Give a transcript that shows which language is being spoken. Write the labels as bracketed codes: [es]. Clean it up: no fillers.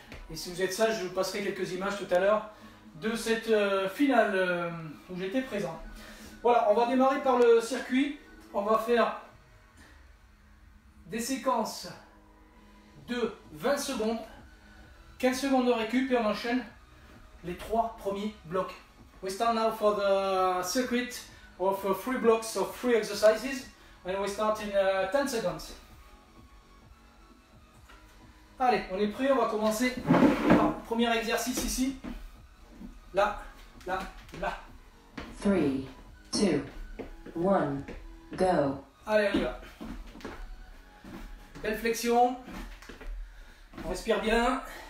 [fr] Et si vous êtes sage, je vous passerai quelques images tout à l'heure de cette finale où j'étais présent. Voilà, on va démarrer par le circuit. On va faire des séquences de 20 secondes, 15 secondes de récup et on enchaîne les 3 premiers blocs. [en] We start now for the circuit of 3 blocks of 3 exercises and we start in 10 seconds. [fr] Allez, on est prêt, on va commencer. Alors, premier exercice ici. Là, là, là. 3, 2, 1, go. Allez, on y va. Belle flexion. On respire bien.